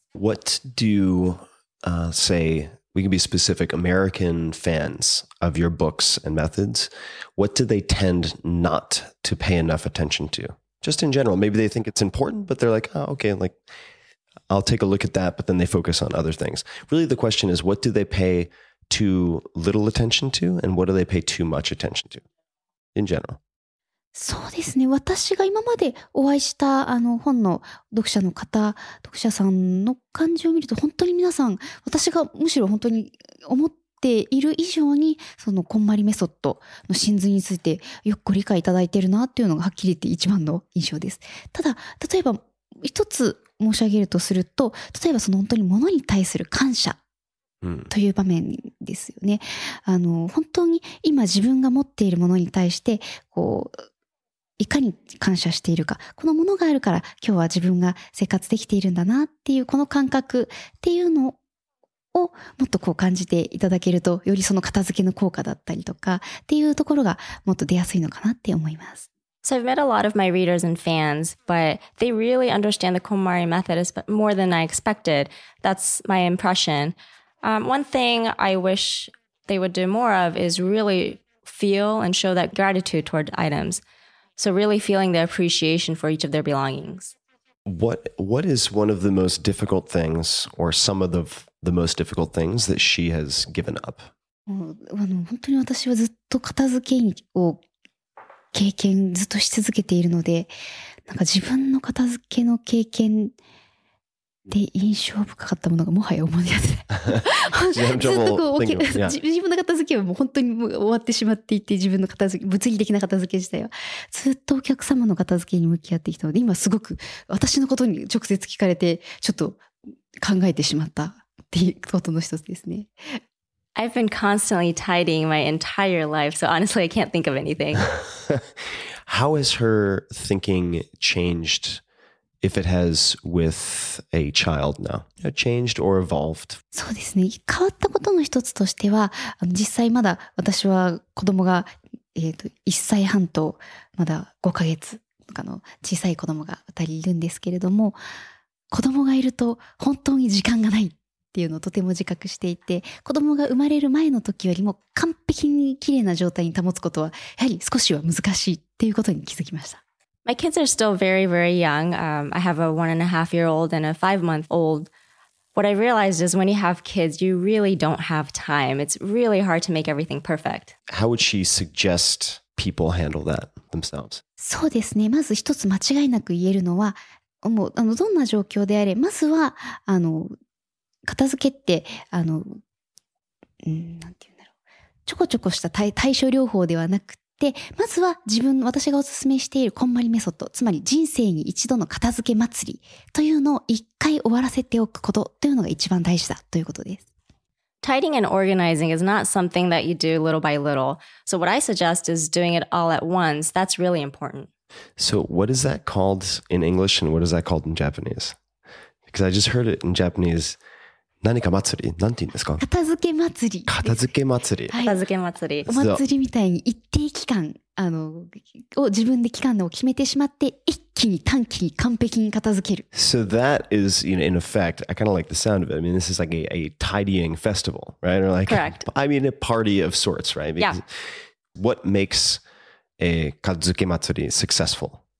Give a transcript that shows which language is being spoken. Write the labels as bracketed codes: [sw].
[en] What do, say, we can be specific, American fans of your books and methods, what do they tend not to pay enough attention to? Just in general, maybe they think it's important, but they're like, oh, okay, like, I'll take a look at that, but then they focus on other things. Really, the question is, what do they pay too little attention to, and what do they pay too much attention to in general? [ja] そうですね。私が今までお会いしたあの本の読者の方、読者さんの感じを見ると、本当に皆さん、私がむしろ本当に思っている以上に、そのこんまりメソッドの真髄についてよくご理解いただいているなっていうのがはっきり言って一番の印象です。ただ、例えば一つ申し上げるとすると、例えばその本当に物に対する感謝という場面ですよね。あの本当に今自分が持っているものに対してこういかに感謝しているか、このものがあるから今日は自分が生活できているんだなっていうこの感覚っていうのをもっとこう感じていただけると、よりその片付けの効果だったりとかっていうところがもっと出やすいのかなって思います。 [en] So I've met a lot of my readers and fans, but they really understand the KonMari method is more than I expected. That's my impression. One thing I wish they would do more of is really feel and show that gratitude toward items. So really feeling the appreciation for each of their belongings. What is one of the most difficult things, or some of the most difficult things that she has given up? [ja] 本当に私はずっと片付けを経験ずっとし続けているので、なんか自分の片付けの経験で印象深かったものがもはや思い出せない。ずっとこう置き、自分の片付けはもう本当にもう終わってしまっていて、自分の片付け、物理的な片付け自体はずっとお客様の片付けに向き合ってきたので、今すごく私のことに直接聞かれてちょっと考えてしまったっていうことの一つですね。 [en] I've been constantly tidying my entire life, so honestly, I can't think of anything. How has her thinking changed, if it has, with a child now? Changed or evolved? [ja] そうですね。変わったことの一つとしては、実際まだ私は子供が、1歳半とまだ5ヶ月とかの小さい子供が2人いるんですけれども、子供がいると本当に時間がない。っていうのをとても自覚していて、子供が生まれる前の時よりも完璧に綺麗な状態に保つことはやはり少しは難しいっていうことに気づきました。 [en] My kids are still very, very young. I have a 1.5-year-old and a 5-month-old. What I realized is when you have kids, you really don't have time. It's really hard to make everything perfect. How would she suggest people handle that themselves? [ja] そうですね。まず一つ間違いなく言えるのは、もうどんな状況であれ、まずは片付けって、なんて言うんだろう。ちょこちょこした対処療法ではなくて、まずは自分、私がおすすめしているこんまりメソッド、つまり人生に一度の片付け祭りというのを一回終わらせておくことというのが一番大事だということです。 [en] Tidying and organizing is not something that you do little by little. So what I suggest is doing it all at once. That's really important. So what is that called in English and what is that called in Japanese? Because I just heard it in Japanese. [ja] 何か祭り、なんて言うんですか。片付け祭り。片付け祭り。はい、片付け祭り。お祭りみたいに一定期間を自分で期間を決めてしまって、一気に短期に完璧に片付ける。 [en] So that is, you know, in effect, I kind of like the sound of it. I mean, this is like a tidying festival, right? Or like, correct. I mean, a party of sorts, right? Because yeah. What makes a 片付け祭り successful?